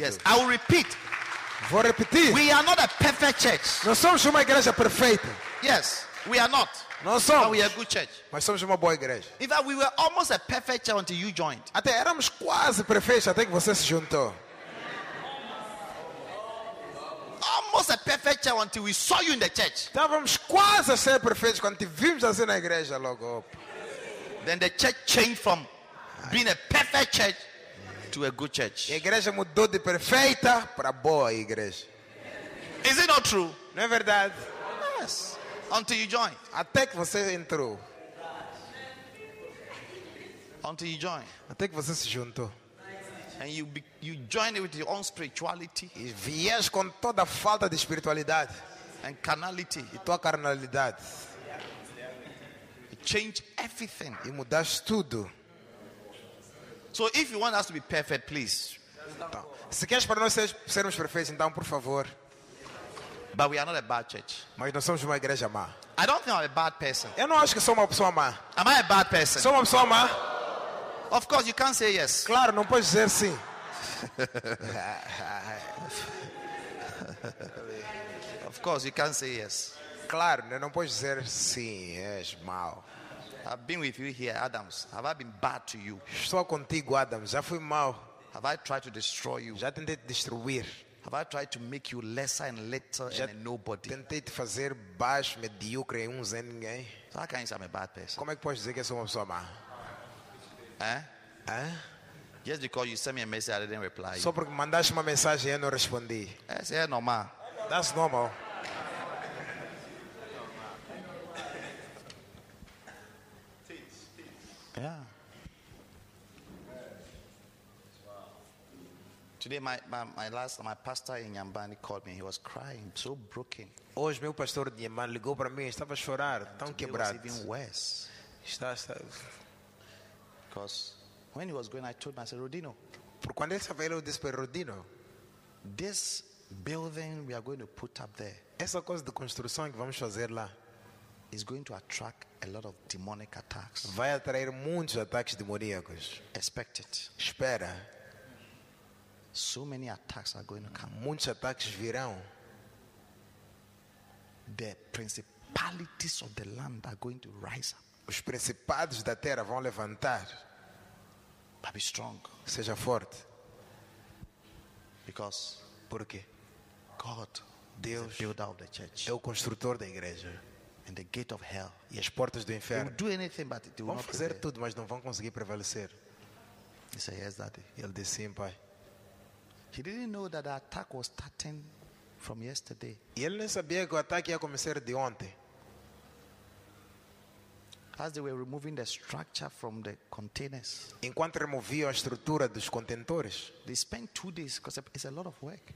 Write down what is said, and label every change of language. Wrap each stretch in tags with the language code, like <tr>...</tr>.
<en>Yes. I will repeat.</en> <pt>Vou repetir.</pt> <en>We are not a perfect church.</en> <pt>Nós somos uma igreja perfeita.</pt> <en>Yes. We are not.</en> <pt>Não somos.</pt> <en>But we are a good church.</en> <pt>Mas somos uma boa igreja.</pt> <en>In fact, we were almost a perfect church until you joined.</en> <pt>Até éramos quase perfeitos até que você se juntou.</pt> <en>Almost a perfect church until we saw you in the church.</en> <pt>Estávamos quase a ser perfeitos quando te vimos assim na igreja logo.</pt> <en>Then the church changed from being a perfect church to a good church.</en> <pt>A igreja mudou de perfeita para boa igreja.</pt> <en>Is it not true?</en> <pt>Não é verdade?</pt> <en>Yes. Until you join.</en> <pt>Até que você entrou.</pt> <en>Until you join.</en> <pt>Até que você se juntou.</pt> <en>And you join it with your own spirituality.</en> <pt>E vies com toda a falta de espiritualidade.</pt> <en>And carnality.</en> <pt>E tua carnalidade.</pt> <en>You change everything.</en> <pt>E mudaste tudo.</pt> <en>So if you want us to be perfect, please.</en> <pt>Então, se queres para nós sermos perfeitos, então por favor.</pt> <en>But we are not a bad church.</en> <pt>Mas nós somos uma igreja má.</pt> <en>I don't think I'm a bad person.</en> <pt>Eu não acho que sou uma pessoa má.</pt> <en>Am I a bad person?</en> <pt>Sou uma pessoa má.</pt> <en>Of course, you can't say yes.</en> <pt>Claro, não podes dizer sim.</pt> <en>Of course, you can't say yes.</en> <pt>Claro, não podes dizer sim. És mau.</pt> <en>I've been with you here, Adams. Have I been bad to you?</en> <pt>Estou contigo, Adams. Já fui mau.</pt> <en>Have I tried to destroy you?</en> <pt>Já tentei te destruir.</pt> <en>Have I tried to make you lesser and little and a nobody?</en> <pt>Tentei te fazer baixo, medíocre, um zé ninguém.</pt> <en>So how can you say I'm a bad person?</en> <pt>Como é que podes dizer que sou uma pessoa má?</pt> <en>Just because you sent me a message, I didn't reply.</en> <pt>Só porque mandaste uma mensagem e eu não respondi. Isso é normal.</pt> <en>That's normal. Yeah. Today my pastor in Nyambani called me. He was crying, so broken.</en> <pt>Hoje meu pastor de Nyambani ligou para mim, estava a chorar, tão quebrado.</pt> <en>Even worse.</en> <pt>Está.</pt> <en>Because when he was going, I told myself, Rodino.</en> <pt>Por quando ele estava, eu disse para Rodino,</pt> <en>this building we are going to put up there.</en> <pt>Essa coisa de construção que vamos fazer lá.</pt> <en>Is going to attract a lot of demonic attacks.</en> <pt>Vai atrair muitos ataques demoníacos.</pt> <en>Expect it.</en> <pt>Espera.</pt> <en>So many attacks are going to come.</en> <pt>Muitos ataques virão.</pt> <en>The principalities of the land are going to rise up.</en> <pt>Os principados da terra vão levantar.</pt> <en>But be strong.</en> <pt>Seja forte.</pt> <en>Because.</en> <pt>Por quê?</pt> <en>God.</en> <pt>Deus.</pt> <en>Is the builder of the church.</en> <pt>É o construtor da igreja.</pt> <en>And the gate of hell.</en> <pt>E as portas do inferno.</pt> <en>Do anything, but it will</en> <pt>vão</pt> <en>not</en> <pt>fazer prevail. Tudo, mas não vão conseguir prevalecer.</pt> <en>He said, yes, daddy.</en> <pt>Ele disse sim, pai.</pt> <en>He didn't know that the attack was starting from yesterday.</en> <pt>E ele nem sabia que o ataque ia começar de ontem.</pt> <en>As they were removing the structure from the containers.</en> <pt>Enquanto removiam a estrutura dos contentores.</pt> <en>They spent 2 days because it's a lot of work.</en>